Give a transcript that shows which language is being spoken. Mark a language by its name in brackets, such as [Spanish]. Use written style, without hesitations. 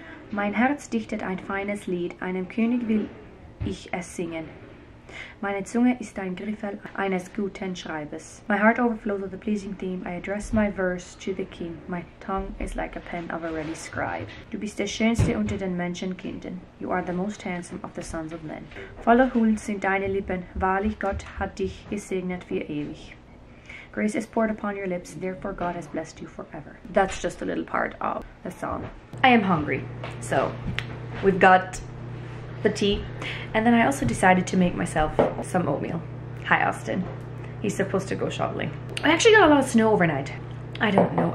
[German] Mein Herz dichtet ein feines Lied, einem König will ich es singen. Meine Zunge ist ein Griffel eines guten Schreibes. [English] My heart overflows with a pleasing theme, I address my verse to the king. My tongue is like a pen of a ready scribe. [German] Du bist der schönste unter den Menschenkindern. [English] You are the most handsome of the sons of men. [German] Voller Huld sind deine Lippen, wahrlich Gott hat dich gesegnet für ewig. [English] Grace is poured upon your lips, therefore God has blessed you forever. That's just a little part of the song. I am hungry, so we've got the tea. And then I also decided to make myself some oatmeal. Hi, Austin. He's supposed to go shoveling. I actually got a lot of snow overnight. I don't know.